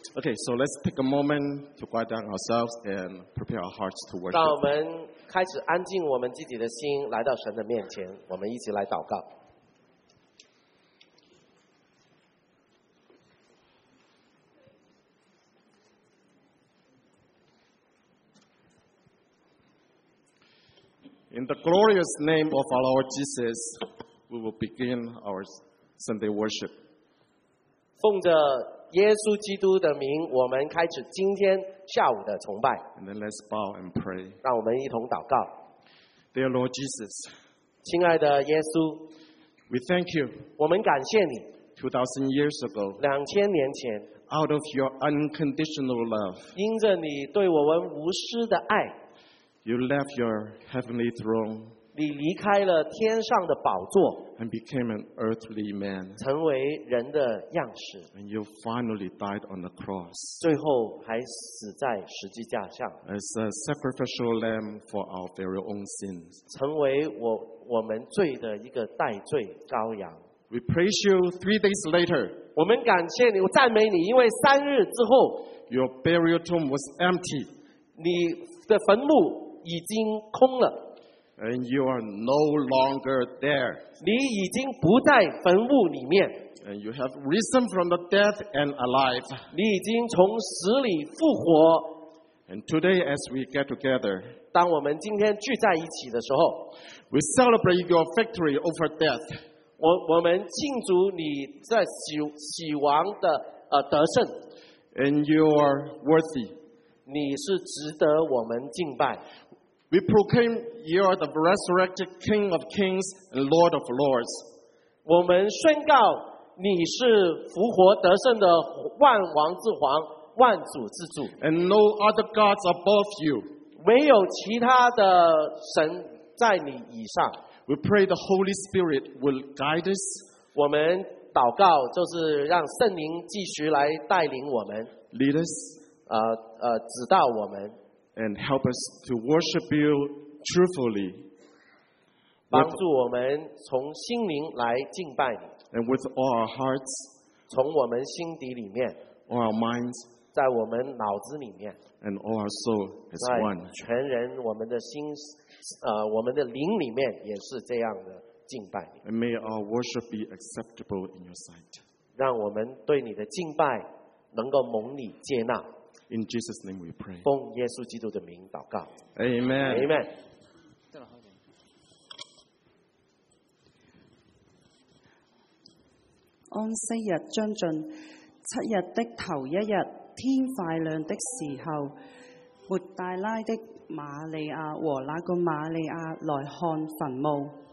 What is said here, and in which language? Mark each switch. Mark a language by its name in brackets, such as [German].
[English] Okay, so let's take a moment to quiet down ourselves and prepare our hearts to worship. [Chinese] 当我们开始安静我们自己的心，来到神的面前，我们一起来祷告。 [English] In the glorious name of our Lord Jesus, we will begin our Sunday worship. [Chinese] 奉着耶稣基督的名，我们开始今天下午的崇拜。 [English] And then let's bow and pray. [Chinese] 让我们一同祷告。 [English] Dear Lord Jesus, [Chinese] 亲爱的耶稣， [English] we thank you. [Chinese] 我们感谢你。 [English] 2000 years ago, [Chinese] 2000年前， [English] out of your unconditional love, [Chinese] 因着你对我们无私的爱。 [English] You left your heavenly throne. [Chinese] 你离开了天上的宝座。 [English] And became an earthly man. [Chinese] 成为人的样式。 [English] And you finally died on the cross. [Chinese] 最后还死在十字架上。 [English] As a sacrificial lamb for our very own sins. [Chinese] 成为我们罪的一个代罪羔羊。 [English] We praise you 3 days later. [Chinese] 我们感谢你，我赞美你，因为三日之后。 [English] Your burial tomb was empty. [Chinese] 你的坟墓已经空了。 [English] And you are no longer there. [Chinese] 你已经不在坟墓里面。 [English] And you have risen from the dead and alive. [Chinese] 你已经从死里复活。 [English] And today as we get together, [Chinese] 当我们今天聚在一起的时候， [English] we celebrate your victory over death. [Chinese] 我们庆祝你在死亡的得胜。 [English] And you are worthy. [Chinese] 你是值得我们敬拜。 [English] We proclaim you are the resurrected King of Kings and Lord of Lords. [Chinese] 我们宣告你是复活得胜的万王之王，万主之主。 [English] And no other gods above you. [Chinese] 唯有其他的神在你以上。 [English] We pray the Holy Spirit will guide us. [Chinese] 我们祷告就是让圣灵继续来带领我们。 [English] Lead us. [Chinese] 指导我们。 [English] And help us to worship you truthfully. [Chinese] 帮助我们从心灵来敬拜你。 [English] And with all our hearts. [Chinese] 从我们心底里面。 [English] All our minds. [Chinese] 在我们脑子里面。 [English] And all our soul is one. [Chinese] 全人我们的心，我们的灵里面也是这样的敬拜你。 [English] And may our worship be acceptable in your sight. [Chinese] 让我们对你的敬拜能够蒙你接纳。 [English] In Jesus' name we pray. [Chinese] 奉耶稣基督的名祷告。 [English] Amen. Amen. [Chinese] 安息日将近，七日的头一日，天快亮的时候，抹大拉的玛利亚和那个玛利亚来看坟墓。